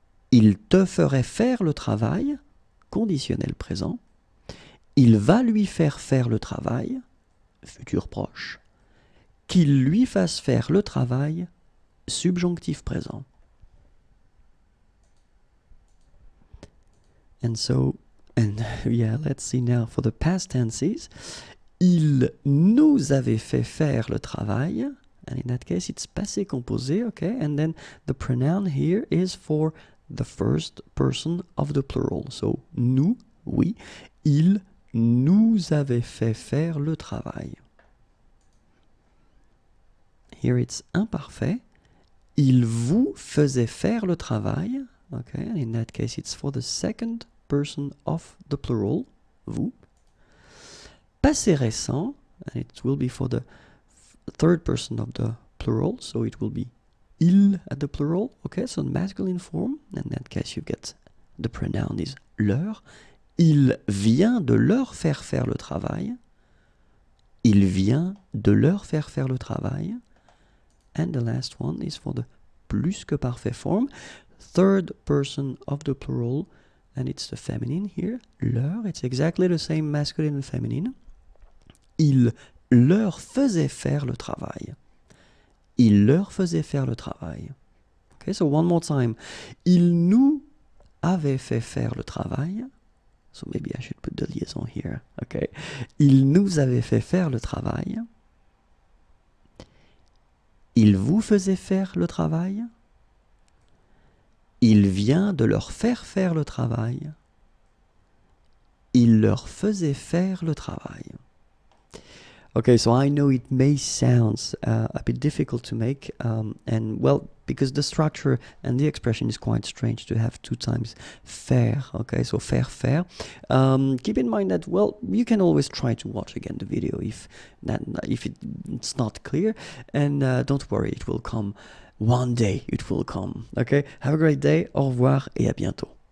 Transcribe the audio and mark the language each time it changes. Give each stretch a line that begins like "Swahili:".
French: Il te ferait faire le travail, conditionnel présent. Il va lui faire faire le travail, futur proche. Qu'il lui fasse faire le travail, subjonctif présent.
English: And so, and yeah, let's see now for the past tenses.
French: Il nous avait fait faire le travail.
English: And in that case, it's passé composé, okay? And then the pronoun here is for the first person of the plural. So,
French: nous, oui. Il nous avait fait faire le travail.
English: Here it's
French: imparfait. Il vous faisait faire le travail.
English: Okay, in that case, it's for the second person of the plural, vous. Passé récent, and it will be for the third person of the plural, so it will be il at the plural. Okay, so in masculine form, in that case, you get the pronoun is leur.
French: Il vient de leur faire faire le travail. Il vient de leur faire faire le travail.
English: And the last one is for the plus que parfait form, third person of the plural, and it's the feminine here, leur. It's exactly the same masculine and feminine.
French: Il leur faisait faire le travail. Il leur faisait faire le travail.
English: Okay, so one more time.
French: Il nous avait fait faire le travail.
English: So maybe I should put the liaison here.
French: Okay. Il nous avait fait faire le travail. Il vous faisait faire le travail. Il vient de leur faire faire le travail. Il leur faisait faire le travail.
English: Okay, so I know it may sound a bit difficult to make, and well, because the structure and the expression is quite strange to have two times faire, okay, so faire, faire. Keep in mind that, well, you can always try to watch again the video if it's not clear, and don't worry, it will come one day, it will come, okay? Have a great day,
French: au revoir et à bientôt.